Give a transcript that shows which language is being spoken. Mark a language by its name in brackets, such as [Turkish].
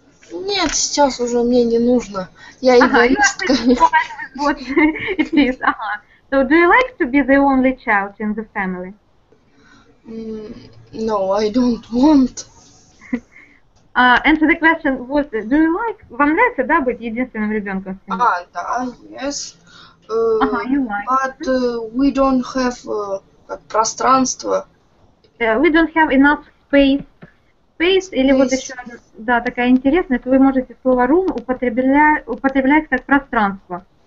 [Russian] Нет, сейчас уже мне не нужно. Я эгоистка. [English] Вот, it is. Ага. So, do you like to be the only child in the family? No, I don't want. And so the question was, do you like... [Russian] Вам нравится, да, быть единственным ребенком? [English] Ah, да, yes. You like. But we don't have [Russian] пространство. [English] We don't have enough space. [Russian] Space, или вот еще, да, такая интересная, то вы можете слово room употреблять как пространство.